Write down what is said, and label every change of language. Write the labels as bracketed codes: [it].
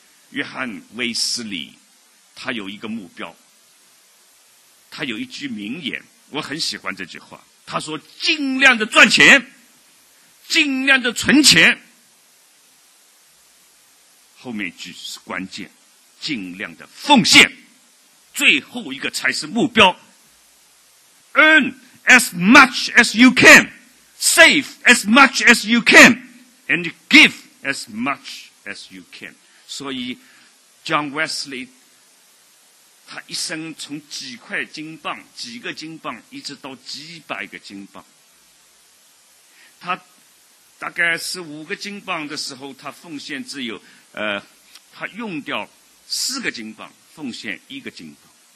[zh] 约翰威斯里他有一个目标，他有一句名言，我很喜欢这句话，他说尽量的赚钱，尽量的存钱，后面一句是关键，尽量的奉献，最后一个才是目标。 [en] Earn as much as you can, save as much as you can, and give as much as you can。 [zh] 所以 John Wesley 他一生从几块金镑，几个金镑，一直到几百个金镑，他大概是五个金镑的时候，他奉献只有他用掉四个金镑，奉献一个金镑。